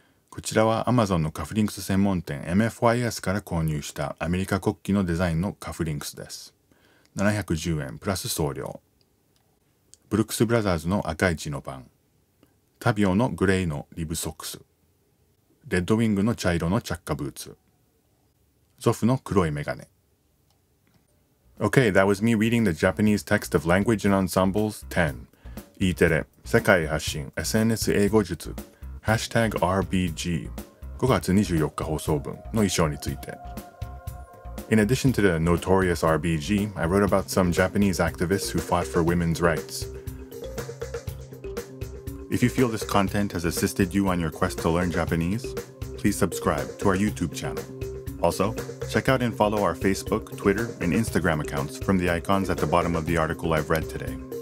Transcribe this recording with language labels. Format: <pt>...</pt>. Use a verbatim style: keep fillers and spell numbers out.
<ja>こちらは Amazon のカフリンクス専門店 エムエフワイエス から購入したアメリカ国旗のデザインのカフリンクスです。ななひゃくじゅうえんプラス送料。ブルックスブラザーズの赤いチノパン、タビオのグレーのリブソックス、レッドウィングの茶色のチャッカブーツ、ゾフの黒いメガネ。</ja> <en>Okay, that was me reading the Japanese text of Language and Ensembles ten.</en> <ja>E テレ、世界発信 エスエヌエス 英語術 ハッシュタグアールビージー ごがつにじゅうよっか放送分の衣装について。</ja> <en>In addition to the notorious R B G, I wrote about some Japanese activists who fought for women's rights. If you feel this content has assisted you on your quest to learn Japanese, please subscribe to our YouTube channel. Also, check out and follow our Facebook, Twitter, and Instagram accounts from the icons at the bottom of the article I've read today.</en>